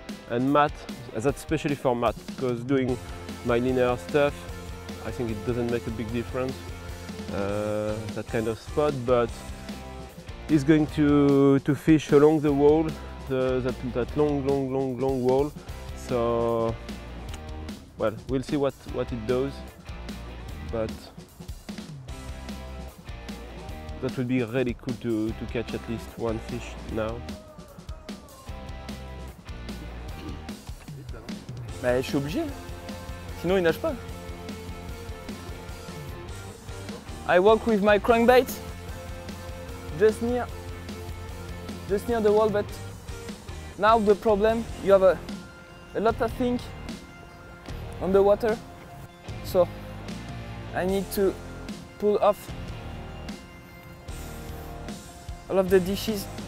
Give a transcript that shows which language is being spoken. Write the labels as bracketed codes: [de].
[en] And Matt, that's especially for Matt, because doing my linear stuff, I think it doesn't make a big difference, that kind of spot, but he's going to fish along the wall, that long wall. So, well, we'll see what it does, but that would be really cool to catch at least one fish now. [fr] Bah, je suis obligé, sinon il nage pas. [en] I walk with my crankbait just near the wall, but now the problem, you have a lot of things on the water, so I need to pull off all of the dishes.